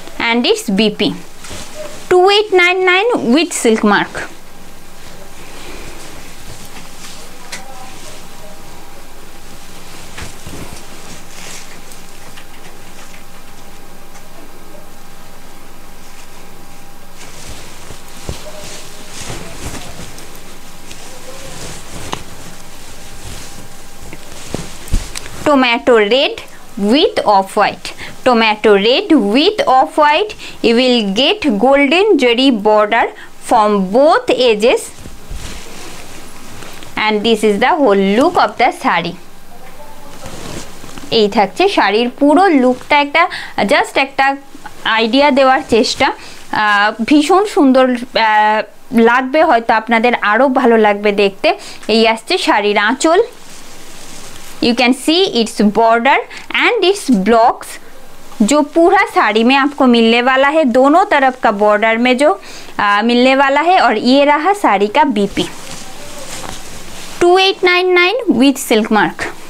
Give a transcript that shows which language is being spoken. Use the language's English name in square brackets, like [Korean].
[English] And it's BP 2899 with silk mark Tomato red with off-white. Tomato red with off-white. You will get golden jewelry border from both edges. And this is the whole look of the sari. [Bangla] এই থাকছে শাড়ির পুরো লুকটা একটা just একটা idea দেওয়ার চেষ্টা ভীষণ সুন্দর লাগবে হয়তো আপনাদের আরো ভালো লাগবে দেখতে এই আসছে শাড়ির আঁচল [English] You can see its border and its blocks [Hindi] जो पूरा साड़ी में आपको मिलने वाला है दोनों तरफ का border में जो मिलने वाला है और ये रहा साड़ी का BP [Bangla] 2899 [English] with silk mark